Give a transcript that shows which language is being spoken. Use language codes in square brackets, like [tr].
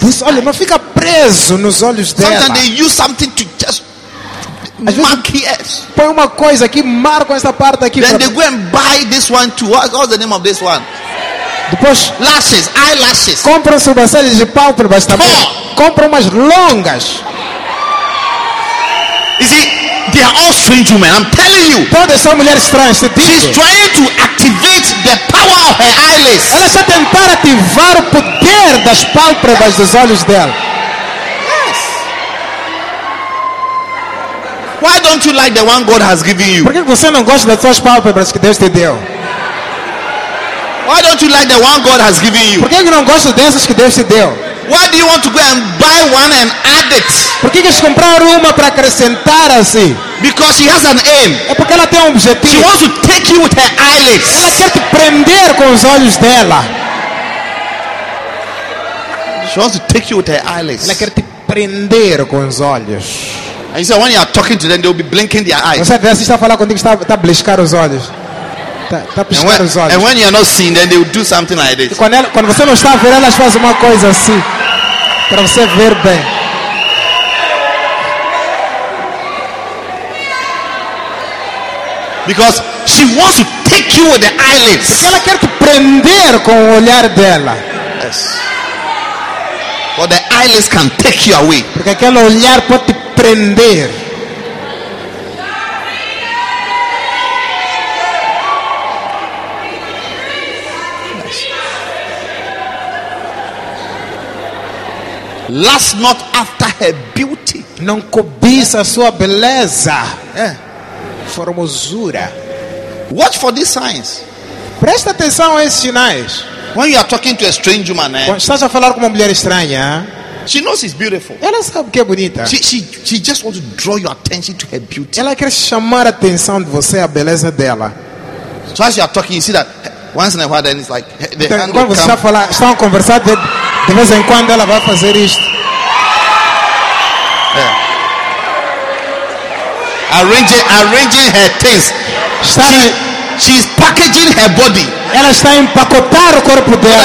[pt] Diz, olha, não fica preso nos olhos dela. [en] Sometimes they use something to just mark here. [pt] Põe uma coisa aqui, marca essa parte aqui. [en] Then they go and buy this one too. What's the name of this one? [pt] Depois, [en] lashes, eyelashes. [pt] Compra sobrancelhas de pau para baixo também. Compra umas longas. [en] You see? They are all strange women, I'm telling you. [pt] Todas são mulheres estranhas. [en] She's trying to activate the power of her eyelids. [pt] Ela está tentando ativar o poder das pálpebras dos olhos dela. [en] Yes. Why don't you like the one God has given you? [pt] Por que você não gosta das suas pálpebras que Deus te deu? [en] Why don't you like the one God has given you? [pt] Por que não gosta dessas que Deus te deu? [en] Why do you want to go and buy one and add it? [pt] Por que queres comprar uma para acrescentar assim? [en] Because she has an aim. [pt] É porque ela tem objetivo. [en] She wants to take you with her eyelids. [pt] Ela quer te prender com os olhos dela. [en] She wants to take you with her eyelids. [pt] Ela quer te prender com os olhos. [en] And you say, when you are talking to them, they will be blinking their eyes. [pt] Você está a falar contigo, está a bliscar os olhos. [en] And when you are not seeing, then they will do something like this. [pt] Quando você não está a ver, elas fazem uma coisa assim para você ver bem. [en] Because she wants to take you with the eyelids. [pt] Porque ela quer te prender com o olhar dela. [en] Yes. But the eyelids can take you away. [pt] Porque aquele olhar pode te prender. [en] Lust not after her beauty. [pt] Não cobiça a sua beleza. É. Formosura. [en] Watch for these signs. [pt] Presta atenção a esses sinais. [en] When you are talking to a strange woman, [pt] quando estás a falar com uma mulher estranha, [en] she knows she's beautiful. [pt] Ela sabe que é bonita. [en] She just wants to draw your attention to her beauty. [pt] Ela quer chamar a atenção de você à beleza dela. [en] So as you are talking, you see that once in a while, then it's like the [pt] então, [en] hand [pt] quando você está a falar, estão a conversar. De vez em quando ela vai fazer isto. É. [en] Arranging her things. She's packaging her body. [pt] Ela está a empacotar o corpo dela.